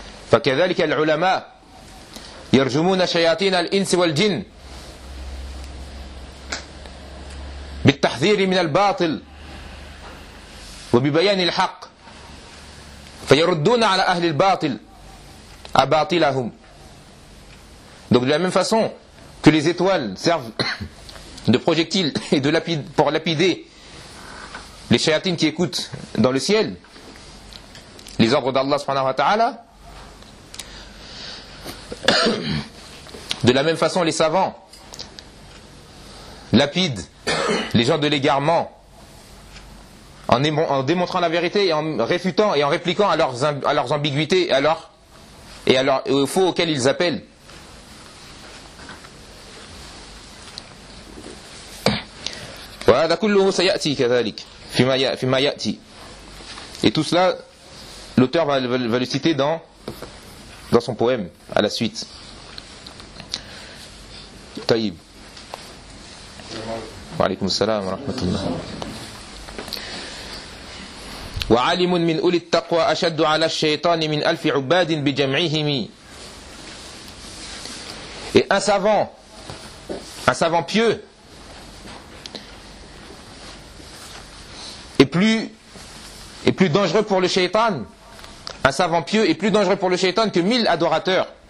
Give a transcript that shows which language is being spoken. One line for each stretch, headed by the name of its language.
Arabic: فكذلك العلماء يرجمون شياطين الإنس والجن بالتحذير من الباطل وببيان الحق فيردون على أهل الباطل أباطلهم.
French: Donc de la même façon que les étoiles servent de projectiles et de lapides pour lapider les shayatines qui écoutent dans le ciel les ordres d'Allah subhanahu wa ta'ala, de la même façon les savants lapident les gens de l'égarement en démontrant la vérité et en réfutant et en répliquant à leurs ambiguïtés et aux faux auxquels ils appellent.
Arabic: فهذا كله سيأتي كذلك فيما فيما يأتي.
French: Et tout cela, l'auteur va le citer dans son poème à la suite.
Arabic: طيب. وعليكم السلام ورحمة الله. وعالم من أولي التقوى أشد على الشيطان من ألف عباد بجمعهم.
French: Et un savant pieux est plus dangereux pour le shaitan. Un savant pieux est plus dangereux pour le shaitan que 1000 adorateurs.